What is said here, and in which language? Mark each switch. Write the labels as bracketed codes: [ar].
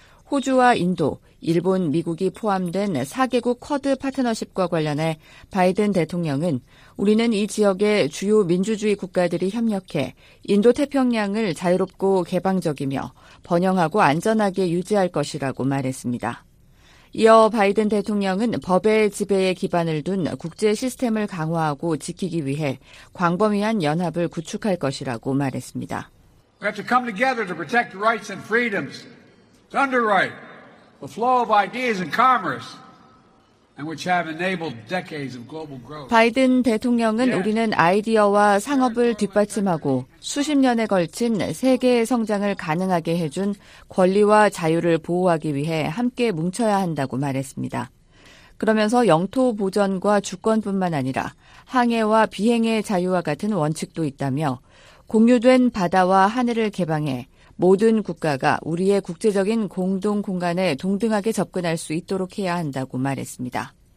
[ko] 호주와 인도, 일본, 미국이 포함된 4개국 쿼드 파트너십과 관련해 바이든 대통령은 우리는 이 지역의 주요 민주주의 국가들이 협력해 인도태평양을 자유롭고 개방적이며 번영하고 안전하게 유지할 것이라고 말했습니다. 이어 바이든 대통령은 법의 지배에 기반을 둔 국제 시스템을 강화하고 지키기 위해 광범위한 연합을 구축할 것이라고 말했습니다. [en] We have to come together to protect the rights and freedoms. Underwrite the flow of ideas and commerce, and which have enabled decades of global growth. [ko] 바이든 대통령은 우리는 아이디어와 상업을 뒷받침하고 수십 년에 걸친 세계의 성장을 가능하게 해준 권리와 자유를 보호하기 위해 함께 뭉쳐야 한다고 말했습니다. 그러면서 영토 보전과 주권뿐만 아니라 항해와 비행의 자유와 같은 원칙도 있다며 공유된 바다와 하늘을 개방해 모든 국가가 우리의 국제적인 공동 공간에 동등하게 접근할 수 있도록 해야 한다고 말했습니다.